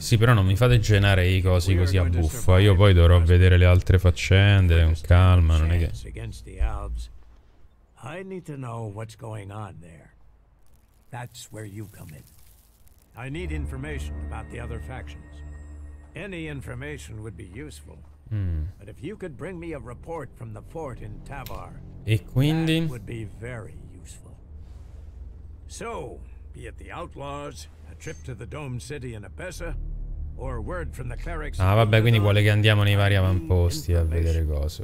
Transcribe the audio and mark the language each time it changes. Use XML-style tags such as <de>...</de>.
<it>Sì, però non mi fate genare i cosi così a buffo. Io poi dovrò vedere le altre faccende con calma, non è che.</it> <en>Against the elves. I need to know what's going on there. That's where you come in. I need information about the other factions. Any information would be useful. But if you could bring me a report from the fort in Tavar,</en> <it>e quindi</it> <en>that would be very useful. So, be it the outlaws, a trip to the dome city in Epessa, or word from the clerics.</en> <it>Ah, vabbè, quindi vuole che andiamo nei vari avamposti a vedere cose.</it>